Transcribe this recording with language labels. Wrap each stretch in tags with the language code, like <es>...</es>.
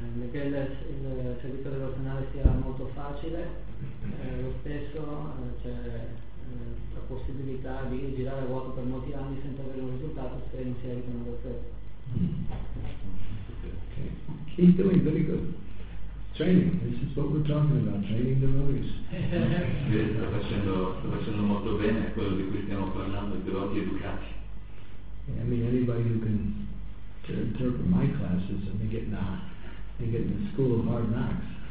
<it>che il servizio devozionale sia molto facile, lo stesso c'è la possibilità di girare a vuoto per molti anni senza avere un risultato se non si arrivano da sé.</it> <en>Okay. He's doing very good. Training, this is what we're talking about, training the devotees.</en> <it>sta facendo molto bene, quello di cui stiamo parlando, i devoti educati.</it> <en>Yeah, I mean, anybody who can interpret my classes and they get nah. They get in the school of hard knocks.</en>